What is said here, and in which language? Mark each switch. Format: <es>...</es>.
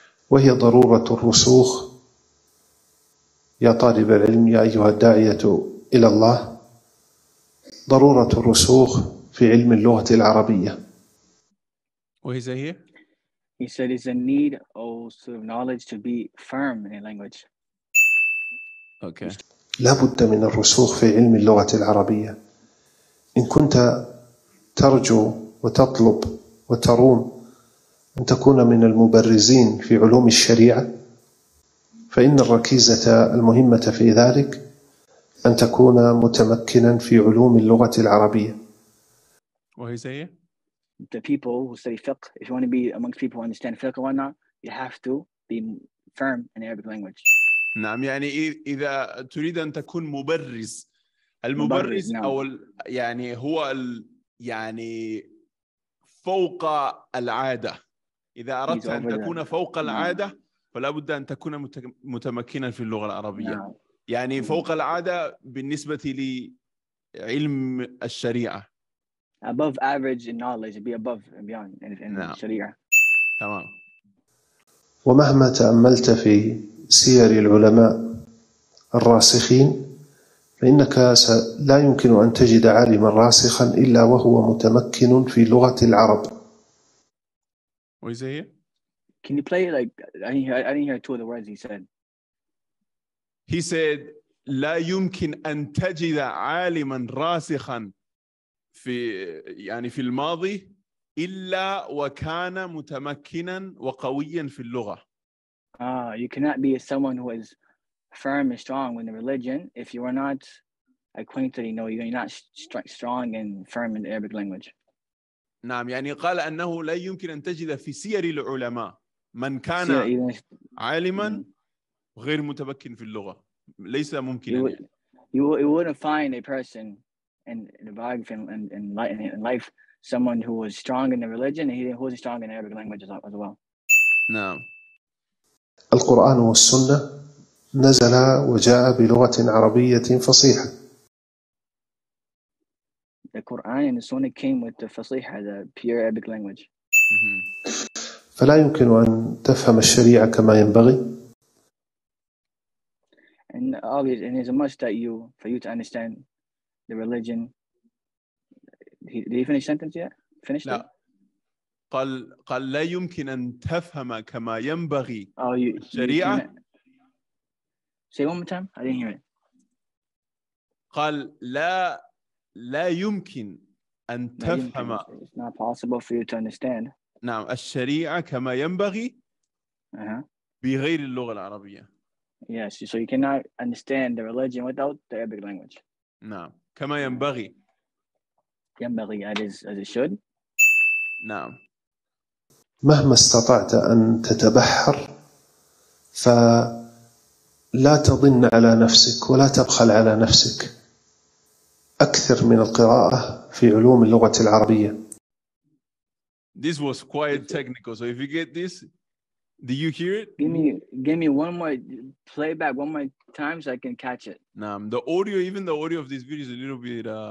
<ar>وهي ضرورة الرسوخ يا طالب العلم يا أيها الداعية إلى الله ضرورة الرسوخ في علم اللغة العربية.</ar> <en>What is it here? He said it's a need also of knowledge to be firm in a language. Okay.</en> <ar>لابد من الرسوخ في علم اللغة العربية. إن كنت ترجو وتطلب وتروم أن تكون من المبرزين في علوم الشريعة فإن الركيزة المهمة في ذلك أن تكون متمكنا في علوم اللغة العربية.</ar> <en>What he say? The people who study fiqh, if you want to be amongst people who understand fiqh or not, you have to be firm in the Arabic language.</en> <ar>نعم يعني إذا تريد أن تكون مبرز المبرز أو يعني هو يعني فوق العادة إذا أردت أن تكون فوق العادة فلا بد أن تكون متمكنا في اللغة العربية يعني فوق العادة بالنسبة لعلم الشريعة</ar> <en>above average in knowledge be above and beyond in الشريعة</en> <ar>تمام ومهما تأملت في سير العلماء الراسخين فإنك لا يمكن أن تجد عالما راسخا إلا وهو متمكن في لغة العرب.</ar> <en>What is it here? Can you play it like I didn't hear two of the words he said. He said,</en> <ar>لا يمكن أن تجد عالما راسخا في يعني في الماضي إلا وكان متمكنا وقويا في اللغة.</ar> <en>You cannot be someone who is firm and strong in the religion if you are not acquainted, you're not strong and firm in the Arabic language.</en> <ar>نعم يعني قال أنه لا يمكن أن تجد في سير العلماء من كان عالما غير متمكن في اللغة ليس ممكن.</ar> <en>You wouldn't find a person in biography in life someone who was strong in the religion and who was strong in Arabic language as well.</en> <ar>نعم. القرآن والسنة نزل وجاء بلغة عربية فصيحة.</ar> <en>The Quran and the Sunnah came with the fasiha, the pure Arabic language.</en> <ar>فلا يمكن أن تفهم الشريعة كما ينبغي.</ar> <en>And obviously, and it's a must that you for you to understand the religion. Did he finish sentence yet? finished it?</en> <ar>قال لا يمكن أن تفهم كما ينبغي الشريعة.</ar> <en>Say one more time. I didn't hear it.</en> <ar>قال لا يمكن أن تفهم.</ar> <en>It's not possible for you to understand.</en> <ar>نعم الشريعة كما ينبغي بغير اللغة العربية.</ar> <en>Yes, so you cannot understand the religion without the Arabic language.</en> <ar>نعم كما ينبغي.</ar> <en>ينبغي as it should.</en> <ar>نعم. مهما استطعت أن تتبحر فلا تضن على نفسك ولا تبخل على نفسك أكثر من القراءة في علوم اللغة العربية.</ar> <en>This was quite technical, so if you get this, do you hear it? Give me one more playback, one more time so I can catch it. نعم, the audio, even the audio of this video is a little bit</en>